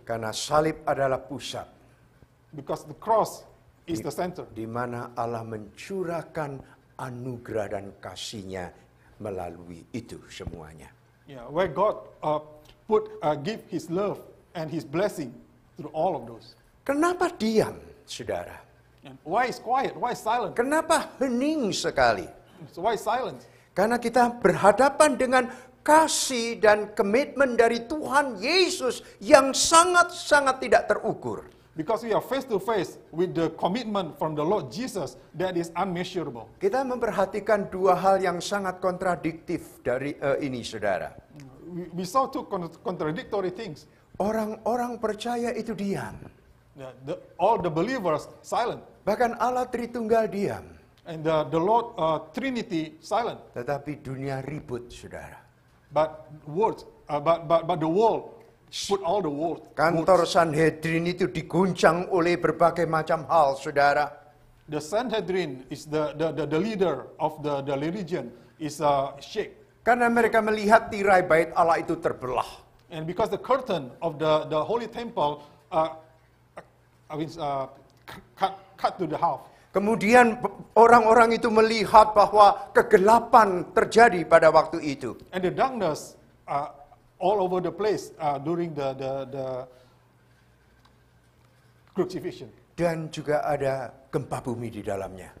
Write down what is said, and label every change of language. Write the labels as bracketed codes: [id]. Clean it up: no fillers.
[id] Karena salib adalah pusat. [en] Because the cross is the center. [id] Di mana Allah mencurahkan anugerah dan kasih-Nya melalui itu semuanya. [en] Yeah, where God give his love and his blessing through all of those. [id] Kenapa diam, saudara? [en] And why is quiet? Why is silent? [id] Kenapa hening sekali? [en] So why is silent? [id] Karena kita berhadapan dengan kasih dan komitmen dari Tuhan Yesus yang sangat-sangat tidak terukur. [en] Because we are face to face with the commitment from the Lord Jesus that is unmeasurable. [id] Kita memperhatikan dua hal yang sangat kontradiktif dari ini, saudara. [en] We saw two contradictory things. [id] Orang-orang percaya itu diam. [en] All the believers silent. [id] Bahkan Allah Tritunggal diam. [en] And the Lord Trinity silent. [id] Tetapi dunia ribut, saudara. [en] But the world put all the words. [id] Kantor Sanhedrin itu diguncang oleh berbagai macam hal, saudara. [en] The Sanhedrin is the leader of the religion is shake. [id] Karena mereka melihat tirai bait Allah itu terbelah. [en] And because the curtain of the holy temple cut to the half. [id] Kemudian orang-orang itu melihat bahwa kegelapan terjadi pada waktu itu. [en] And the darkness all over the place during the crucifixion. [id] Dan juga ada gempa bumi di dalamnya.